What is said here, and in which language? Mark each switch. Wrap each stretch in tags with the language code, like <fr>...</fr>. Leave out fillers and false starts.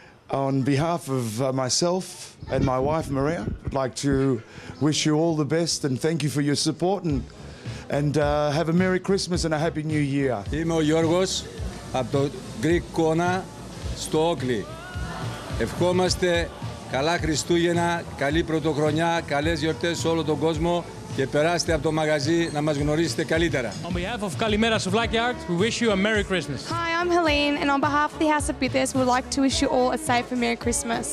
<en>On behalf of myself and my wife, Maria, I'd like to wish you all the best and thank you for your support and have a Merry Christmas and a Happy New Year.</en> <el>Είμαι ο Γιώργος από το Greek Corner στο Oakleigh. Ευχόμαστε καλά Χριστούγεννα, καλή Πρωτοχρονιά, καλές γιορτές σε όλο τον κόσμο και περάστε από το μαγαζί να μας γνωρίσετε καλύτερα.</el> <en>On behalf of Καλημέρα Souvlaki Art, we wish you a Merry Christmas. Hi, I'm Helene, and on behalf of the House of Bitters, we'd like to wish you all a safe and Merry Christmas.</en>